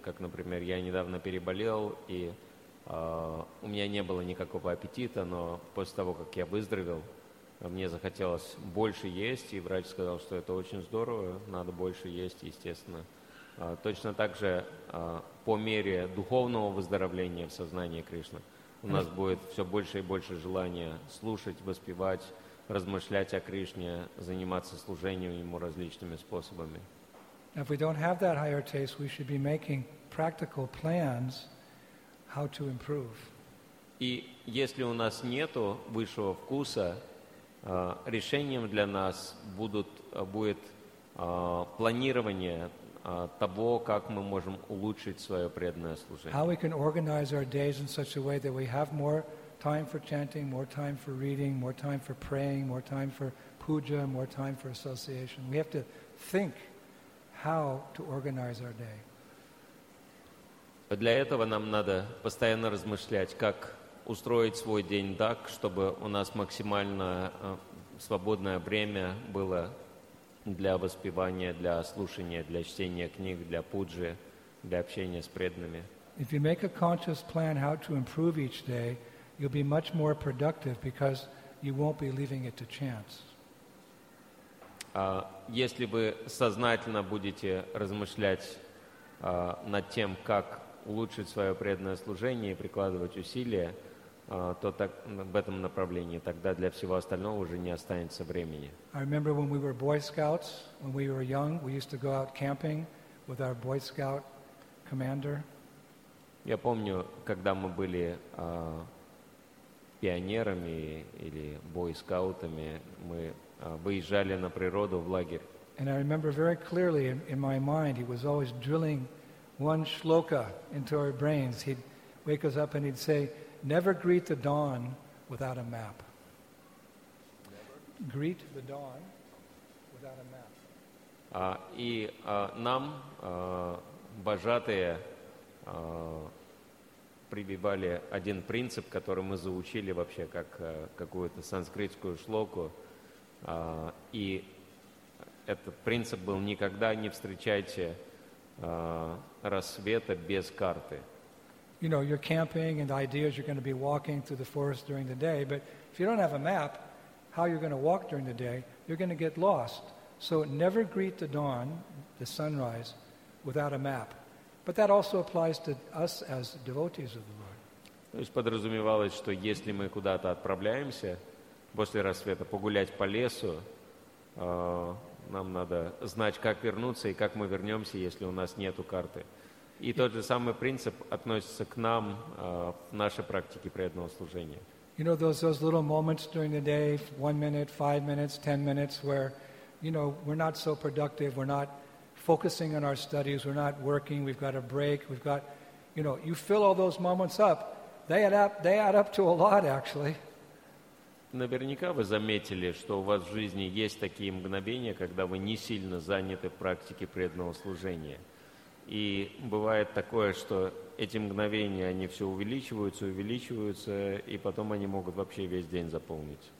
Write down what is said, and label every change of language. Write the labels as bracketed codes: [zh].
[ru] Как, например, я недавно переболел, и у меня не было никакого аппетита, но после того, как я выздоровел, мне захотелось больше есть, и врач сказал, что это очень здорово, надо больше есть, естественно. Точно так же по мере духовного выздоровления в сознании Кришны у нас будет все больше и больше желания слушать, воспевать, размышлять о Кришне, заниматься служением Ему различными способами. [en] If we don't have that higher taste, we should be making practical plans how to improve. [ru] И если у нас нету высшего вкуса, решением для нас будет планирование того, как мы можем улучшить свое преданное служение. [en] How we can organize our days in such a way that we have more time for chanting, more time for reading, more time for praying, more time for puja, more time for association. We have to think how to organize our day. [ru] Для этого нам надо постоянно размышлять, как устроить свой день так, чтобы у нас максимально свободное время было для воспевания, для слушания, для чтения книг, для пуджи, для общения с преданными. [en] If you make a conscious plan how to improve each day, you'll be much more productive because you won't be leaving it to chance. [ru] Если вы сознательно будете размышлять над тем, как улучшить свое преданное служение и прикладывать усилия, то так, в этом направлении, тогда для всего остального уже не останется времени. [en] I remember when we were Boy Scouts, when we were young, we used to go out camping with our Boy Scout commander. [ru] Я помню, когда мы были пионерами или бойскаутами, мы выезжали на природу в лагерь. [en] And I remember very clearly in my mind, he was always drilling one shloka into our brains. He'd wake us up and he'd say, never greet the dawn without a map. Never. Greet the dawn without a map. [ru] И нам вожатые прибивали один принцип, который мы заучили вообще как какую-то санскритскую шлоку. И этот принцип был: никогда не встречайте рассвета без карты. [en] You know, you're camping and the idea is you're going to be walking through the forest during the day, but if you don't have a map, how you're going to walk during the day, you're going to get lost. So never greet the dawn, the sunrise, without a map. But that also applies to us as devotees of the Lord. [ru] То есть подразумевалось, что если мы куда-то отправляемся после рассвета погулять по лесу, нам надо знать, как вернуться и как мы вернемся, если у нас нету карты. И тот же самый принцип относится к нам, в нашей практике преданного служения. [en] You know, those little moments during the day, 1 minute, 5 minutes, 10 minutes, where, you know, we're not so productive, we're not focusing on our studies, we're not working, we've got a break, we've got, you know, you fill all those moments up, they add up to a lot, actually. [ru] Наверняка вы заметили, что у вас в жизни есть такие мгновения, когда вы не сильно заняты в практике преданного служения. И бывает такое, что эти мгновения, они все увеличиваются, увеличиваются, и потом они могут вообще весь день заполнить.